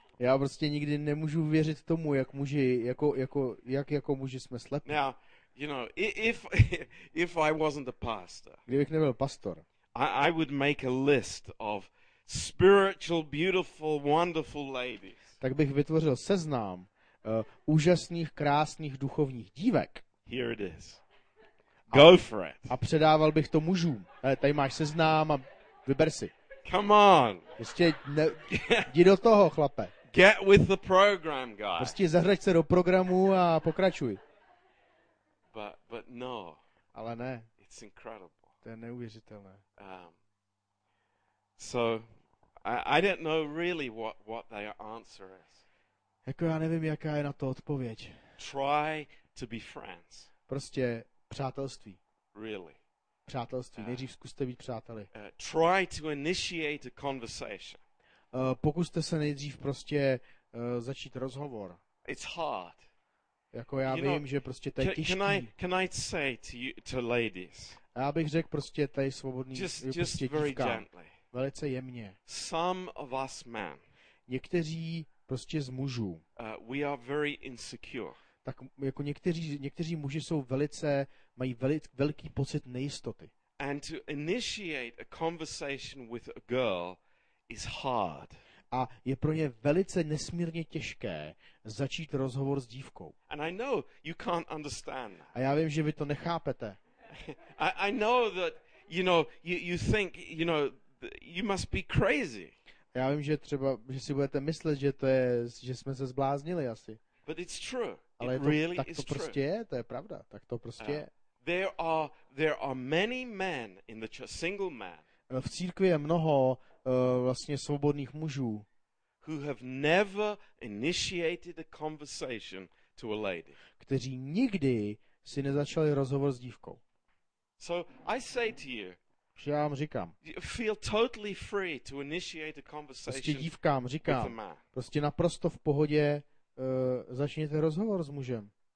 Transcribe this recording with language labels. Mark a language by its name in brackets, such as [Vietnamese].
[Czech] Já prostě nikdy nemůžu věřit tomu, jak muži, jako muži jsme slepí. [English] Now, you know, if I wasn't a pastor. [Czech] Kdybych nebyl pastor. [English] I would make a list of spiritual, beautiful, wonderful ladies. [Czech] Tak bych vytvořil seznam úžasných, krásných duchovních dívek. [English] Here it is. Go for it. [Czech] A předával bych to mužům. Tady máš seznam a vyber si. [English] Come on. [Czech] Prostě jdi do toho, chlape. [English] Get with the program, guy. [Czech] Prostě zahraď se do programu a pokračuj. [English] But no. [Czech] Ale ne. [English] It's incredible. [Czech] To je neuvěřitelné. [English] So I don't know really what their answer is. [Czech] Jako já nevím, jaká je na to odpověď. [English] Try to be friends. [Czech] Prostě přátelství. [English] Really. [Czech] Přátelství, nejdřív zkuste být přáteli. [English] Try to initiate a conversation. [Czech] Pokuste se nejdřív prostě začít rozhovor. [English] It's hard. [Czech] Jako já vím, že prostě to je těžký. [English] Can I say to ladies? [Czech] Já bych řekl prostě tady svobodný, [English] just very gently. [Czech] Velice jemně. [English] Some of us men. [Czech] Někteří prostě z mužů. [English] We are very insecure. [Czech] Tak jako někteří muži jsou velice, mají velký pocit nejistoty. [English] And to initiate a conversation with a girl is hard. [Czech] A je pro ně velice nesmírně těžké začít rozhovor s dívkou. [English] And I know you can't understand. [Czech] A já vím, že vy to nechápete. [English] I know that, you know, you think, you know, you must be crazy. [Czech] Já vím, že třeba, že si budete myslet, že to je, že jsme se zbláznili asi. [English] But it's true. [Czech] Ale [English] it really [Czech] tak to [English] is [Czech] prostě [English] true. [Czech] Je, to je pravda, tak to prostě je. [English] There are many men in the single man. [Czech] V církvi je mnoho vlastně svobodných mužů. [English] Who have never initiated a conversation to a lady. [Czech] Kteří nikdy si nezačali rozhovor s dívkou. [English] So I say to you. [Czech] Že já vám říkám. [English] Feel totally free to initiate a conversation. [Czech] Prostě dívkám říkám. Prostě naprosto v pohodě. Začněte rozhovor s mužem.